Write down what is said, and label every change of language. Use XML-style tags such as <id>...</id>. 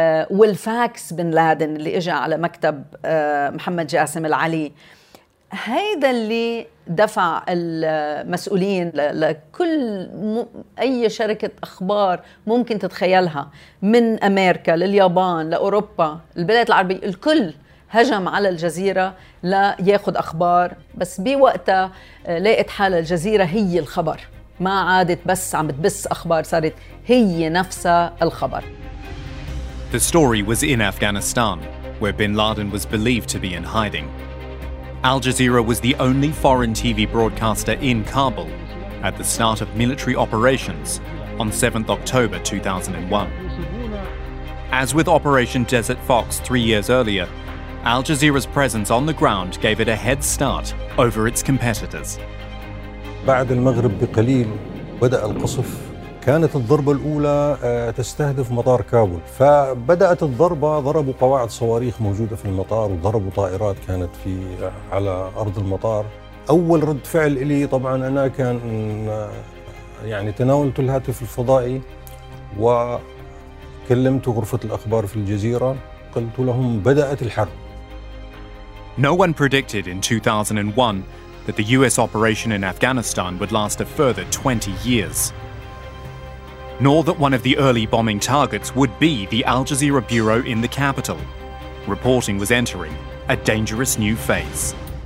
<ar>والفاكس بن لادن اللي إجا على مكتب محمد جاسم العلي هيدا اللي دفع المسؤولين لكل أي شركة أخبار ممكن تتخيلها من أمريكا لليابان لأوروبا البلاد العربية الكل هجم على الجزيرة لا يأخذ أخبار بس بوقتها لقيت حال الجزيرة هي الخبر ما عادت بس عم تبث أخبار صارت هي نفسها الخبر.</ar> <en>The story was in Afghanistan, where bin Laden was believed to be in hiding. Al Jazeera was the only foreign TV broadcaster in Kabul at the start of military operations on 7th October 2001. As with Operation Desert Fox 3 years earlier, Al Jazeera's presence on the ground gave it a head start over its competitors.</en> <ar>بعد المغرب بقليل بدأ القصف. كانت الضربة الأولى تستهدف مطار كابول. فبدأت الضربة ضربوا قواعد صواريخ موجودة في المطار وضربوا طائرات كانت في على أرض المطار. أول رد فعل إلي طبعاً أنا كان يعني تناولت الهاتف الفضائي وكلمت غرفة الأخبار في الجزيرة. قلت لهم بدأت الحرب.</ar> <en>No one predicted in 2001 that the US operation in Afghanistan would last a further 20 years. Nor that one of the early bombing targets would be the Al Jazeera bureau in the capital. Reporting was entering a dangerous new phase.</en>